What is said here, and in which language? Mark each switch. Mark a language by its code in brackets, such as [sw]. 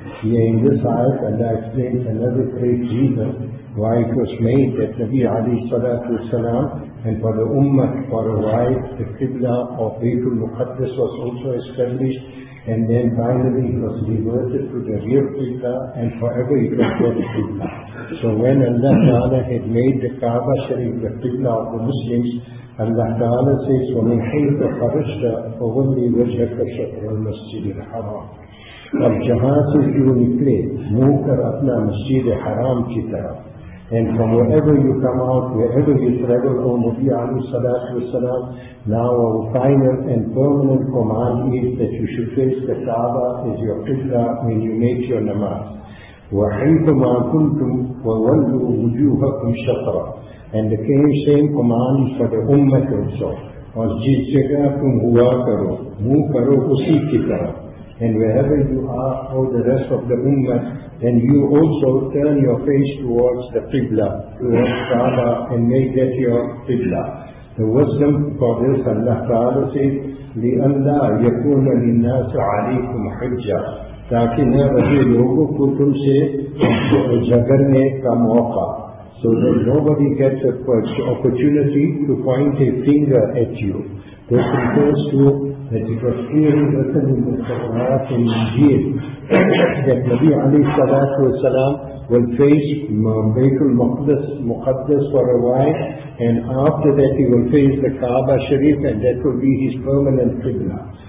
[en] Here in this ayat, Allah explained another great reason why it was made that Nabi alayhi salatu wasalam and for the Ummah, for a while, the Qibla of Baytul Muqaddis was also established, and then finally it was reverted to the rear Qibla, and forever it was called Qibla. So when Allah Ta'ala had made the Kaaba Sharif the Qibla of the Muslims, Allah Ta'ala says, [ar] وَمِنْ حَيْثُ خَرَجْتَ فَوَلِّي وَجْهَكَ شَطْرَ الْمَسْجِدِ الْحَرَامِ. [ur] اب جہاں سے کیوں نکلے، مو کر اپنا مسجد حرام کی طرف. [en] And from wherever you come out, wherever you travel, O Nabi alayhi salatu wasalam, now our final and permanent command is that you should face the Kaaba as your Qibla when you make your namaz. [ar] وَحَيْثُمَا كُنْتُمْ وَوَلُّوا وُجُوهَكُمْ شَطْرًا. [en] And the same command is for the Ummah also. [ur] اور جس جگہ تم ہوا کرو، مو کرو اسی کی طرح. [en] And wherever you are or the rest of the Ummah, then you also turn your face towards the Qibla, towards Kaaba, and make that your Qibla. The wisdom for this, Allah Ta'ala says, [ar] لِأَلَّا يَكُونَ لِلنَّاسُ عَلَيْكُمْ حُجَّةً. [ur] تاکہ نہ رہے لوگوں کو تم سے جھگڑنے کا موقع. [en] So that nobody gets a first opportunity to point a finger at you. This refers to that it was clearly written in the Torah and Injil that Nabi alayhi salatu wasalam will face Baytul Muqaddas for a while, and after that he will face the Kaaba Sharif, and that will be his permanent Qibla.